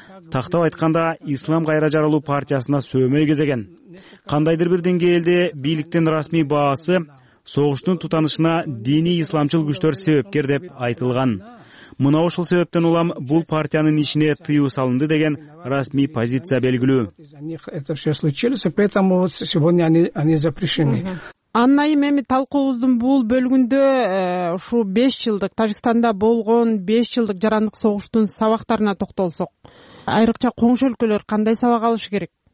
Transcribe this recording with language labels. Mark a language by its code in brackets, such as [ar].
[ky] Тактап айтканда, Ислам кайра жаралуу партиясына сөөмөй кезеген. Кандайдыр бир деңгээлде бийликтин расмий баасы согуштун тутанышына диний исламчыл күчтөр себепкер деп айтылган. Мына ушул себептен улам бул партиянын ишине тыюу салынды деген расмий позиция белгилүү. [ru] Это все случилось, поэтому сегодня они запрещены. [ky] Анна эми талкуубуздун бул бөлүгүндө ушу 5 жылдык Тажикстанда болгон 5 жылдык жарандык согуштун сабактарына токтолсок, айрыкча коңшу өлкөлөр кандай сабак алышы керек?